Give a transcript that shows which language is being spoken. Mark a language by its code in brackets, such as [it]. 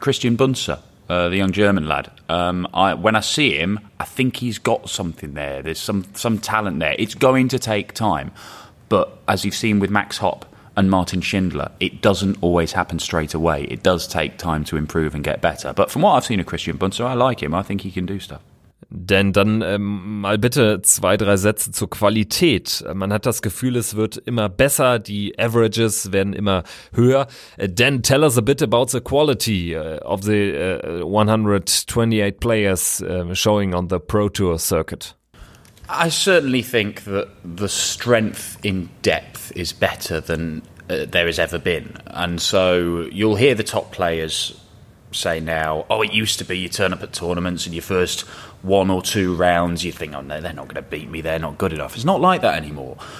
[en] Christian Bunzer, the young German lad. When I see him, I think he's got something there. There's some talent there. It's going to take time. But as you've seen with Max Hopp and Martin Schindler, it doesn't always happen straight away. It does take time to improve and get better. But from what I've seen of Christian Bunzer, I like him. I think he can do stuff. [de] Denn dann mal bitte zwei, drei Sätze zur Qualität. Man hat das Gefühl, es wird immer besser. Die Averages werden immer höher. [en] Then tell us a bit about the quality of the 128 players showing on the Pro Tour circuit. I certainly think that the strength in depth is better than there has ever been. And so you'll hear the top players say now, oh, it used to be you turn up at tournaments and your first one or two rounds, you think, oh, no, they're not going to beat me, they're not good enough. It's not like that anymore.